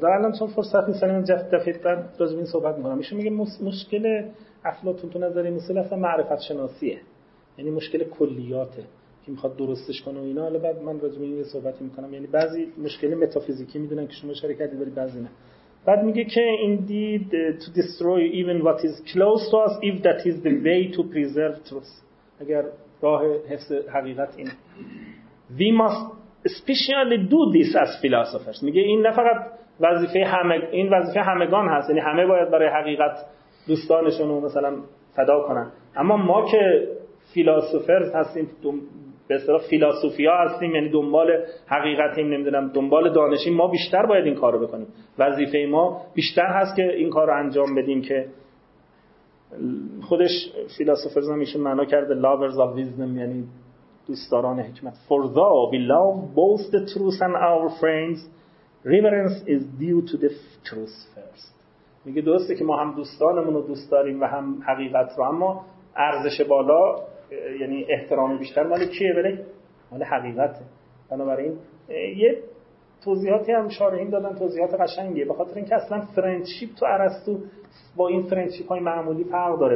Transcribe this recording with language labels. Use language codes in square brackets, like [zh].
[fa] در الان چون فرصتی سلیم جفت دفیت در رازمین صحبت میکنم. ایشون میگه مشکل افلاطون تو نظری مصد اصلا معرفت شناسیه. یعنی مشکل کلیاته. که میخواد درستش کنه و اینا، حالا بعد من راجع به این صحبتی میکنم. یعنی بعضی مشکل متافیزیکی میدونن که شما شرکت دارید، بعضی نه. بعد میگه که [en] indeed to destroy even what is close to us if that is the way to preserve truth. [fa] اگر راه حفظ حقیقت اینه، [en] we must especially do this as philosophers. [fa] میگه این نه فقط وظیفه همه، این وظیفه همگان هست، یعنی همه باید برای حقیقت دوستانشون رو مثلا فدا کنن، اما ما که فیلسوفرز هستیم، به اصطلاح فیلسوفیا هستیم، یعنی دنبال حقیقتیم، نمیدونم دنبال دانشیم، ما بیشتر باید این کار رو بکنیم. وظیفه ما بیشتر هست که این کار رو انجام بدیم. که خودش فیلسوفرز همیشه معنا کرده [en] lovers of wisdom، [fa] یعنی دوستداران حکمت. [en] For though we love both the truth and our friends, reverence is due to the truth first. [fa] میگه درسته که ما هم دوستانمون رو دوست داریم و هم حقیقت رو، اما ارزش بالا یعنی احترام بیشتر مال کیه؟ بله، مال حقیقته. بنابراین یه توضیحاتی هم شارحین دادن، توضیحات قشنگیه، به خاطر اینکه اصلا فرندشیپ تو ارسطو با این فرندشیپ های معمولی فرق داره.